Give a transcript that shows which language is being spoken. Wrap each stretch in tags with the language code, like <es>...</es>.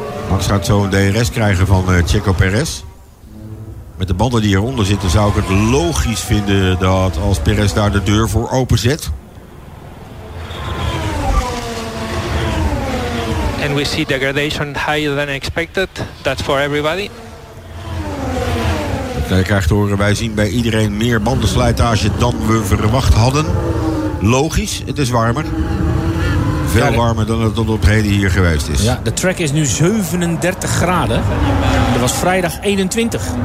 <nl>Max gaat zo een DRS krijgen van Checo Perez. Met de banden die eronder zitten zou ik het logisch vinden dat als Perez daar de deur voor openzet.</nl> <en>And we see degradation higher than expected. That's for everybody.</en> <nl>Ik krijg te horen, wij zien bij iedereen meer bandenslijtage dan we verwacht hadden. Logisch, het is warmer. Veel warmer dan het tot op heden hier geweest is. Ja, de track is nu 37 graden. Dat was vrijdag 21.</nl>